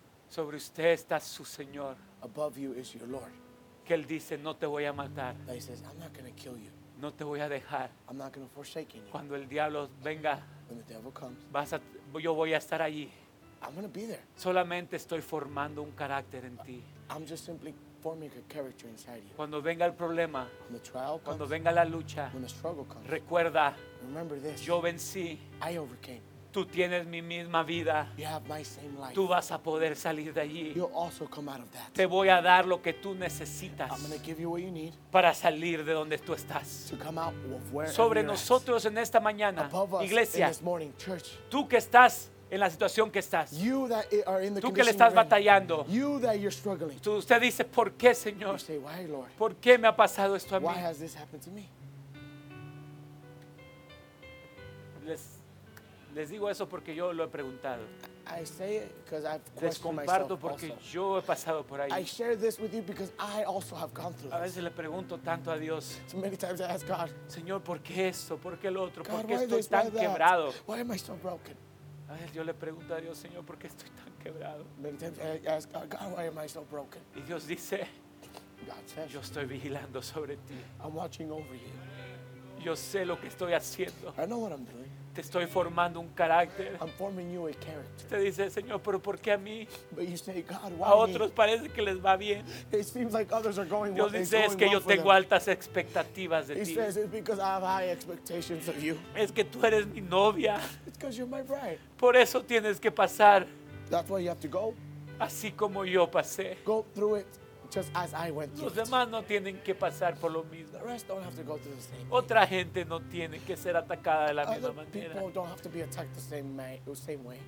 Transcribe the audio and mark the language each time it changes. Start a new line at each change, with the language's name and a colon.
Spanish: Sobre usted está su Señor.
English: Above you is your Lord.
Spanish: Que él dice, no te voy a matar.
English: That he says, I'm not going to kill you.
Spanish: No te voy a dejar.
English: I'm not going to forsake you.
Spanish: Cuando el diablo venga,
English: When the devil comes,
Spanish: yo voy a estar allí.
English: I'm going to be there.
Spanish: Solamente estoy formando un carácter en ti.
English: I'm just simply forming a character inside you.
Spanish: Cuando venga el problema,
English: When the trial comes,
Spanish: cuando venga la lucha,
English: When the struggle comes,
Spanish: recuerda,
English: remember this,
Spanish: yo vencí.
English: I overcame.
Spanish: Tú tienes mi misma vida.
English: You have my same life.
Spanish: Tú vas a poder salir de allí.
English: You'll also come out of that.
Spanish: Te voy a dar lo que tú necesitas
English: I'm gonna give you what you need
Spanish: para salir de donde tú estás.
English: To come out of where
Spanish: Sobre nosotros en esta mañana,
English: Above us
Spanish: iglesia,
English: in this morning, church,
Spanish: tú que estás en la situación que estás,
English: you that are in the
Spanish: tú que le estás batallando,
English: you that you're struggling.
Spanish: Tú, usted dice, ¿por qué, Señor?
English: You say, Why, Lord?
Spanish: ¿Por qué me ha pasado esto a
English: Why
Spanish: mí?
English: Has this happened to me?
Spanish: Les digo eso porque yo lo he preguntado.
English: I say it because I've questioned
Spanish: Les comparto porque
English: myself also.
Spanish: Yo he pasado por ahí.
English: I share this with you because I also have gone through this.
Spanish: A veces le pregunto tanto a Dios.
English: So many times I ask God.
Spanish: Señor, ¿por qué esto? ¿Por qué lo otro?
English: God,
Spanish: ¿Por qué estoy
English: this,
Spanish: tan
English: why
Spanish: quebrado?
English: Why am I so broken?
Spanish: A veces yo le pregunto a Dios, Señor, ¿por qué estoy tan quebrado?
English: Many times I ask God, why am I so broken?
Spanish: Y Dios dice,
English: God says,
Spanish: yo estoy vigilando sobre ti.
English: I'm watching over you.
Spanish: Yo sé lo que estoy haciendo.
English: I know what I'm doing.
Spanish: Te estoy formando un carácter.
English: I'm forming you a character.
Spanish: Usted dice, Señor, pero ¿por qué a mí?
English: But you say, God, why
Spanish: a otros Parece que les va bien.
English: It seems like others are going
Spanish: Dios dice,
English: going
Spanish: es que
English: well
Spanish: yo tengo
English: them.
Spanish: Altas expectativas de
English: He
Spanish: ti.
English: Says, It's because I have high expectations of you.
Spanish: Es que tú eres mi novia.
English: It's because you're my bride.
Spanish: Por eso tienes que pasar.
English: That's why you have to go.
Spanish: Así como yo pasé.
English: Go through it. Just as I went through
Spanish: Los demás no tienen que pasar por lo mismo.
English: The rest don't have to go through the same
Spanish: Otra gente no tiene que ser atacada de la
English: Other
Spanish: misma manera.
English: People don't have to be attacked the same way.